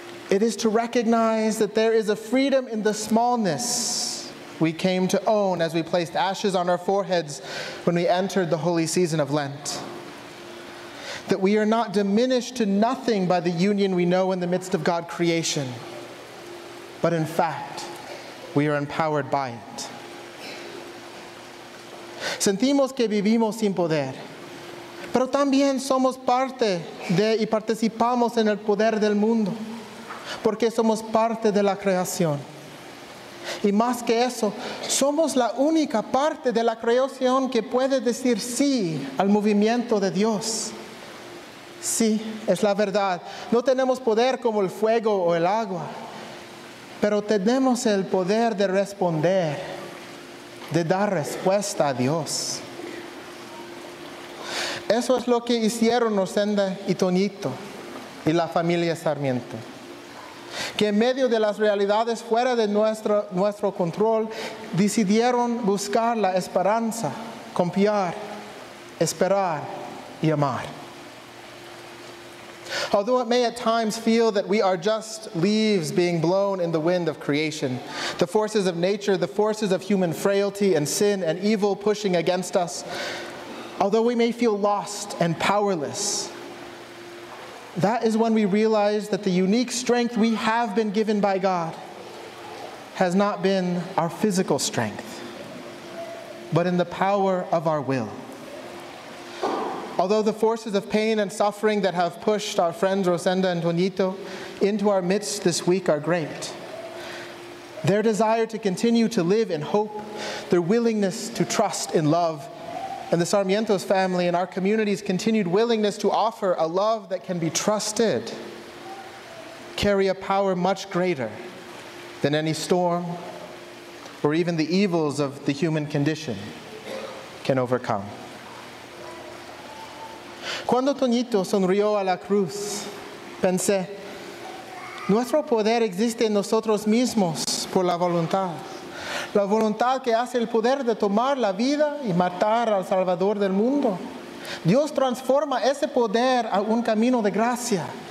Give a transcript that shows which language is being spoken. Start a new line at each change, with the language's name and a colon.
English: It is to recognize that there is a freedom in the smallness we came to own as we placed ashes on our foreheads when we entered the holy season of Lent. That we are not diminished to nothing by the union we know in the midst of God's creation, but in fact, we are empowered by it.
Spanish: Sentimos que vivimos sin poder, pero también somos parte de y participamos en el poder del mundo, porque somos parte de la creación. Y más que eso, somos la única parte de la creación que puede decir sí al movimiento de Dios. Sí, es la verdad. No tenemos poder como el fuego o el agua, pero tenemos el poder de responder, de dar respuesta a Dios. Eso es lo que hicieron Rosenda y Toñito y la familia Sarmiento. Que en medio de las realidades fuera de nuestro control, decidieron buscar la esperanza, confiar, esperar y amar.
English: Although it may at times feel that we are just leaves being blown in the wind of creation, the forces of nature, the forces of human frailty and sin and evil pushing against us, although we may feel lost and powerless, that is when we realize that the unique strength we have been given by God has not been our physical strength, but in the power of our will. Although the forces of pain and suffering that have pushed our friends Rosenda and Toñito into our midst this week are great, their desire to continue to live in hope, their willingness to trust in love, and the Sarmientos family and our community's continued willingness to offer a love that can be trusted carry a power much greater than any storm or even the evils of the human condition can overcome.
Spanish: Cuando Toñito sonrió a la cruz, pensé, nuestro poder existe en nosotros mismos por la voluntad. La voluntad que hace el poder de tomar la vida y matar al Salvador del mundo. Dios transforma ese poder a un camino de gracia.